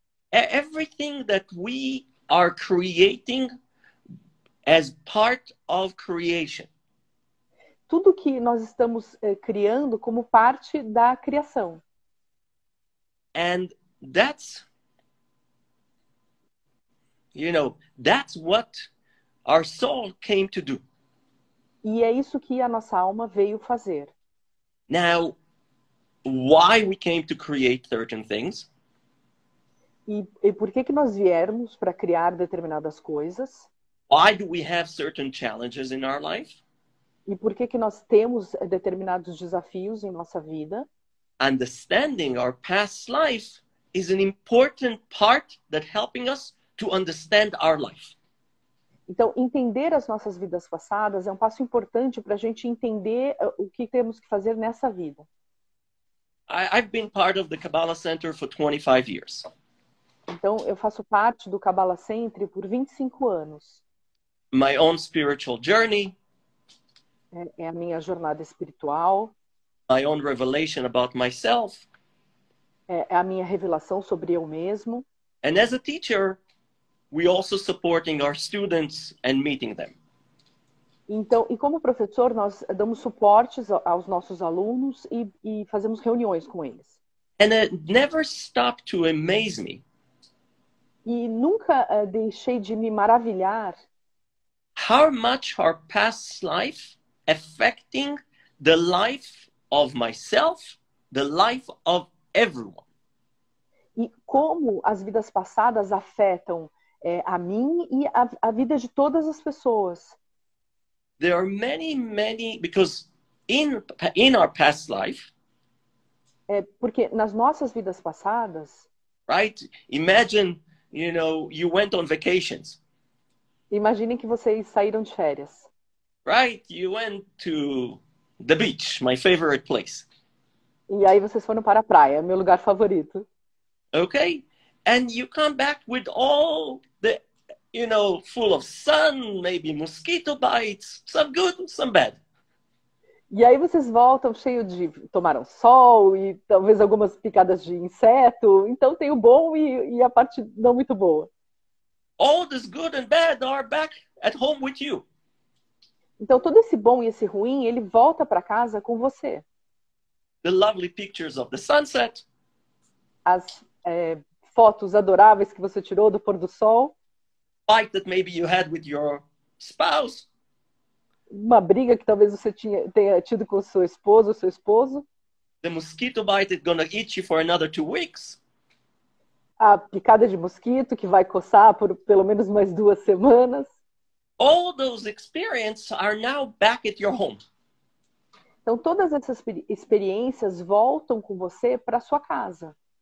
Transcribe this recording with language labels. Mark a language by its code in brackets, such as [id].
[en] Everything that we are creating as part of creation. [pt] Tudo que nós estamos criando como parte da criação. [en] And that's, you know, that's what our soul came to do. [pt] E é isso que a nossa alma veio fazer. [en] Now, why we came to create certain things? [pt] E por que que nós viemos para criar determinadas coisas? [en] Why do we have certain challenges in our life? [pt] E por que que nós temos determinados desafios em nossa vida? [en] Understanding our past life is an important part that helping us to understand our life. [pt] Então, entender as nossas vidas passadas é um passo importante para a gente entender o que temos que fazer nessa vida. [en] I've been part of the Kabbalah Center for 25 years. [pt] Então, eu faço parte do Kabbalah Center por 25 anos. [en] My own spiritual journey. [pt] É a minha jornada espiritual. [en] My own revelation about myself. [pt] É a minha revelação sobre eu mesmo. [en] And as a teacher, we also supporting our students and meeting them. [pt] Então, e como professor, nós damos suportes aos nossos alunos e fazemos reuniões com eles. [en] And it never stopped to amaze me. [pt] E nunca deixei de me maravilhar. [en] How much our past life affecting the life of myself, the life of everyone. [pt] E como as vidas passadas afetam a mim e a vida de todas as pessoas. [en] There are many, many, because in our past life. [pt] Porque nas nossas vidas passadas. [en] Right? Imagine, you know, you went on vacations. [pt] Imagine que vocês saíram de férias. [en] Right? You went to the beach, my favorite place. [pt] E aí vocês foram para a praia, meu lugar favorito. [en] Okay? And you come back with all the, you know, full of sun, maybe mosquito bites, some good, some bad. [pt] E aí vocês voltam cheio de, tomaram sol e talvez algumas picadas de inseto. Então tem o bom e a parte não muito boa. [en] All this good and bad are back at home with you. [pt] Então todo esse bom e esse ruim, ele volta para casa com você. [en] The lovely pictures of the sunset. [pt] As fotos adoráveis que você tirou do pôr do sol. [en] Fight that maybe you had with your spouse. [pt] Uma briga que talvez você tenha tido com sua esposa ou seu esposo. [en] The mosquito bite is gonna eat you for another 2 weeks. [pt] A picada de mosquito que vai coçar por pelo menos mais 2 semanas. [en] All those experiences are now back at your home. [pt] Então todas essas experiências voltam com você para sua casa.